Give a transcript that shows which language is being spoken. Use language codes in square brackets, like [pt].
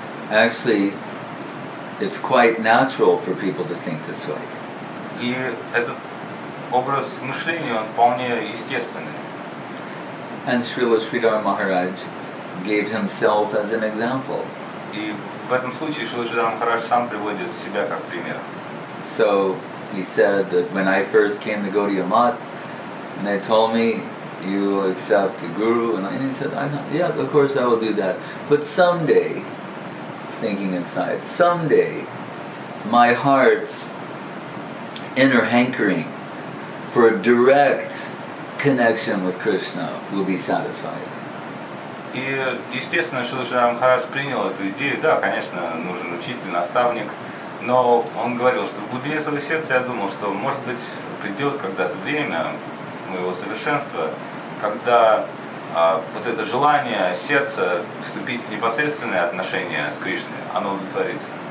[en] Actually, it's quite natural for people to think this way. [ru] И этот образ мышления, он вполне естественный. [en] And Srila Sridhar Maharaj gave himself as an example. [ru] И в этом случае Srila Sridhar Maharaj сам приводит себя как пример. [en] So he said that when I first came to Gaudiya Math, and they told me, you accept the guru, and he said, I'm not, yeah, of course I will do that. But someday, thinking inside, someday my heart's inner hankering for a direct connection with Krishna will be satisfied. [ru] И естественно, Шрила Сридхар Махарадж принял эту идею. Да, конечно, нужен учитель, наставник, но он говорил, что в глубине своего сердца я думал, что может быть придет когда-то время моего совершенства, когда вот это желание сердца вступить в непосредственные отношения с Кришной, оно удовлетворится.